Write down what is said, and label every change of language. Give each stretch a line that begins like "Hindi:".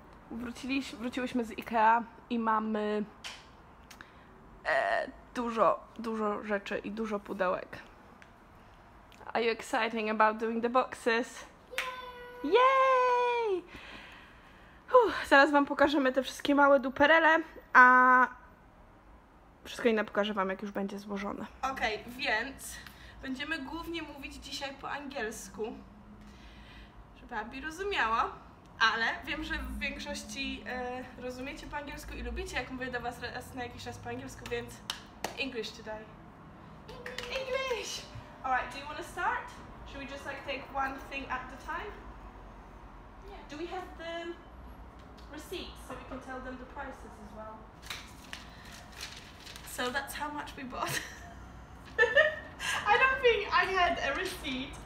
Polish: Wróciłyśmy z IKEA i mamy dużo, dużo rzeczy i dużo pudełek.
English: Are you excited about doing the boxes? Yay! Yay!
Polish: Zaraz wam pokażemy te wszystkie małe duperele, a wszystko inne pokażę wam, jak już będzie złożone. Okej, okay, więc będziemy głównie mówić dzisiaj po angielsku, żeby Abby rozumiała. Ale wiem, że w większości rozumiecie po angielsku i lubicie, jak mówię do was raz na jakiś czas po angielsku, więc
English: English today. English! Alright, do you want to start? Should we just like take one thing at the time? Yeah. Do we have the receipts so we can tell them the prices as well? So that's how much we bought. I don't think I had a receipt